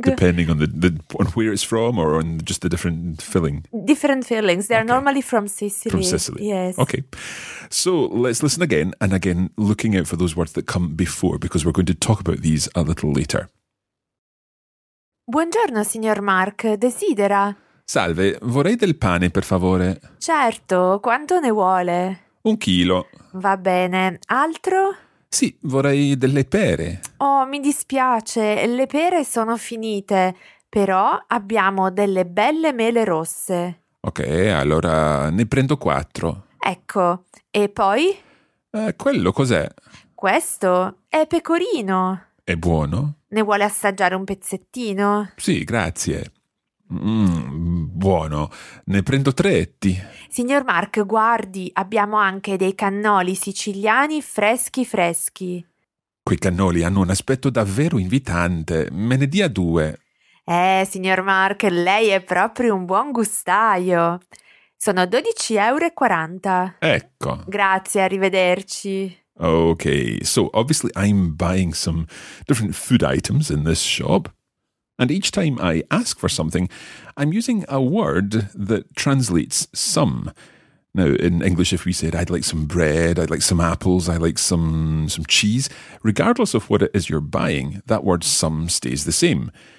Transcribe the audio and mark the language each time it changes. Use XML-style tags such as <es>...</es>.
<en>Depending on the on where it's from or on just the different filling? Different fillings. They are normally from Sicily. From Sicily. Yes. Okay. So let's listen again and again, looking out for those words that come before, because we're going to talk about these a little later.</en> <it>Buongiorno, signor Mark. Desidera... Salve, vorrei del pane, per favore. Certo, quanto ne vuole? 1 chilo. Va bene, altro? Sì, vorrei delle pere. Oh, mi dispiace, le pere sono finite, però abbiamo delle belle mele rosse. Ok, allora ne prendo 4. Ecco, e poi? Quello cos'è? Questo è pecorino. È buono? Ne vuole assaggiare un pezzettino? Sì, grazie. Buono, ne prendo 3 etti. Signor Mark, guardi, abbiamo anche dei cannoli siciliani freschi freschi. Quei cannoli hanno un aspetto davvero invitante, me ne dia 2. Signor Mark, lei è proprio un buon gustaio. Sono 12,40 €. Ecco. Grazie, arrivederci.</it> <en>Okay, so obviously I'm buying some different food items in this shop. And each time I ask for something, I'm using a word that translates some. Now, in English, if we said, I'd like some bread, I'd like some apples, I'd like some cheese, regardless of what it is you're buying, that word some stays the same.</en>